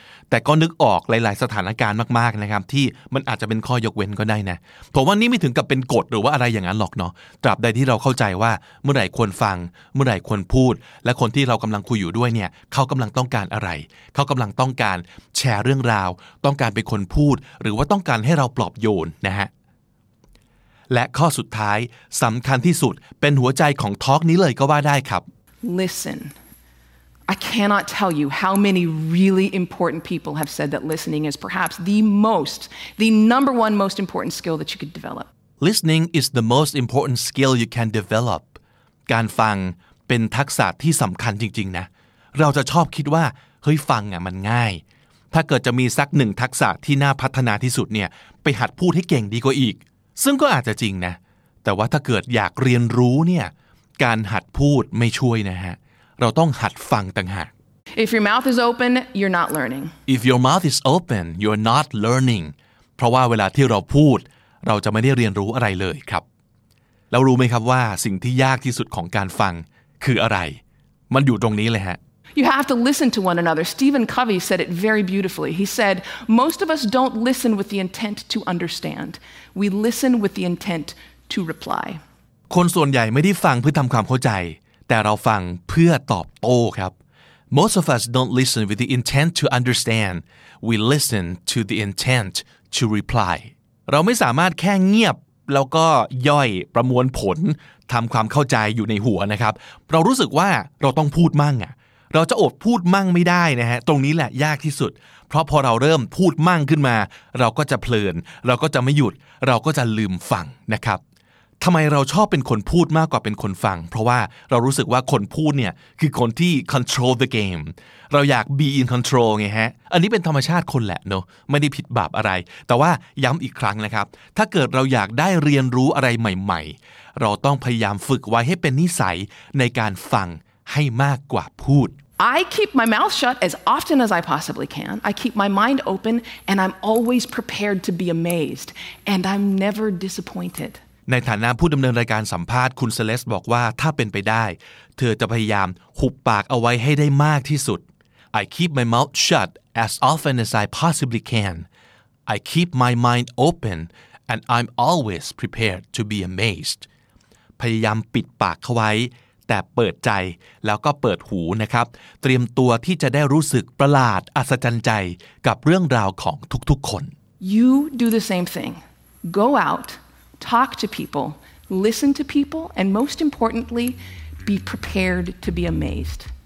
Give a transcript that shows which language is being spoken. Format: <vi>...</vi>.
<th>แต่ก็นึกออกหลายๆสถานการณ์มากๆนะครับที่มันอาจจะเป็นข้อยกเว้นก็ได้นะผมว่านี่ไม่ถึงกับเป็นกฎหรือว่าอะไรอย่างนั้นหรอกเนาะตราบใดที่เราเข้าใจว่าเมื่อไหร่ควรฟังเมื่อไหร่ควรพูดและคนที่เรากำลังคุยอยู่ด้วยเนี่ยเขากำลังต้องการอะไรเขากำลังต้องการแชร์เรื่องราวต้องการเป็นคนพูดหรือว่าต้องการให้เราปลอบโยนนะฮะและข้อสุดท้ายสำคัญที่สุดเป็นหัวใจของทอล์กนี้เลยก็ว่าได้ครับ</th> <en>Listen I cannot tell you how many really important people have said that listening is perhaps the number one most important skill that you could develop. Listening is the most important skill you can develop.</en> <th>การฟังเป็นทักษะที่สำคัญจริงๆนะเราจะชอบคิดว่าเฮ้ยฟังอ่ะมันง่ายถ้าเกิดจะมีสักหนึ่งทักษะที่น่าพัฒนาที่สุดเนี่ยไปหัดพูดให้เก่งดีกว่าอีกซึ่งก็อาจจะจริงนะแต่ว่าถ้าเกิดอยากเรียนรู้เนี่ยการหัดพูดไม่ช่วยนะฮะเราต้องหัดฟังต่างหาก</th> <en>If your mouth is open you're not learning If your mouth is open you're not learning</en> <th>เพราะว่าเวลาที่เราพูดเราจะไม่ได้เรียนรู้อะไรเลยครับแล้วรู้ไหมครับว่าสิ่งที่ยากที่สุดของการฟังคืออะไรมันอยู่ตรงนี้เลยฮะ</th> <en>You have to listen to one another. Stephen Covey said it very beautifully. He said, "Most of us don't listen with the intent to understand. We listen with the intent to reply."</en> <th>คนส่วนใหญ่ไม่ได้ฟังเพื่อทำความเข้าใจแต่เราฟังเพื่อตอบโต้ครับ</th> <en>Most of us don't listen with the intent to understand. We listen to the intent to reply.</en> <th>เราไม่สามารถแค่เงียบแล้วก็ย่อยประมวลผลทำความเข้าใจอยู่ในหัวนะครับเรารู้สึกว่าเราต้องพูดมั่งอ่ะเราจะอดพูดมั่งไม่ได้นะฮะตรงนี้แหละยากที่สุดเพราะพอเราเริ่มพูดมั่งขึ้นมาเราก็จะเพลินเราก็จะไม่หยุดเราก็จะลืมฟังนะครับ ทำไมเราชอบเป็นคนพูดมากกว่าเป็นคนฟังเพราะว่าเรารู้สึกว่าคนพูดเนี่ยคือคนที่</th> <en>control the game</en> <th>เราอยาก</th> <en>be in control</en> <th>ไงฮะอันนี้เป็นธรรมชาติคนแหละเนาะไม่ได้ผิดบาปอะไรแต่ว่าย้ำอีกครั้งนะครับถ้าเกิดเราอยากได้เรียนรู้อะไรใหม่ๆเราต้องพยายามฝึกไว้ให้เป็นนิสัยในการฟังให้มากกว่าพูด</th> <en>I keep my mouth shut as often as I possibly can. I keep my mind open and I'm always prepared to be amazed and I'm never disappointed.</en> <th>ในฐานะผู้ดำเนินรายการสัมภาษณ์คุณเซเลสบอกว่าถ้าเป็นไปได้เธอจะพยายามหุบปากเอาไว้ให้ได้มากที่สุด</th> <en>I keep my mouth shut as often as I possibly can I keep my mind open and I'm always prepared to be amazed</en> <th>พยายามปิดปากเขาไว้แต่เปิดใจแล้วก็เปิดหูนะครับเตรียมตัวที่จะได้รู้สึกประหลาดอัศจรรย์ใจกับเรื่องราวของทุกๆคน</th> <en>You do the same thing Go outTalk to people, listen to people, and most importantly, be prepared to be amazed.</en>